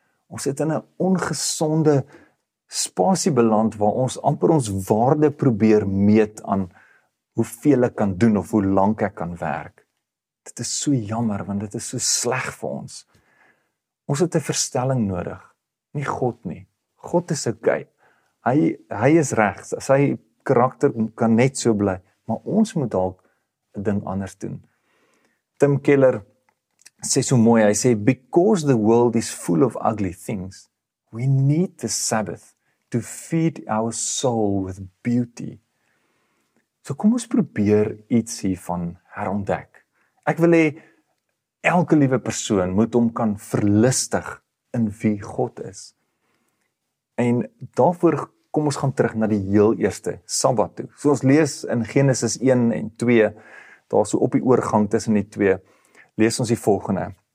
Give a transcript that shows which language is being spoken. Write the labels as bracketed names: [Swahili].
[Afrikaans] Ons sit in 'n ongesonde spasie beland waar ons amper ons waarde probeer meet aan hoeveel ek kan doen of hoe lank ek kan werk. Dit is so jammer, want dit is so sleg vir ons. Ons het 'n verstelling nodig, nie God nie. God is okay. Hy is reg. Sy karakter kan net so bly, maar ons moet dalk 'n ding anders doen. Tim Keller sê so mooi, hy sê, [English] because the world is full of ugly things, we need the Sabbath to feed our soul with beauty. [Afrikaans] So kom ons probeer iets hiervan herontdek. Ek wil hê elke liewe persoon moet hom kan verlustig in wie God is. En daarvoor kom ons gaan terug na die heel eerste Sabbat toe. So ons lees in Genesis 1 en 2, daar so op die oorgang tussen die twee, lees ons die volgende.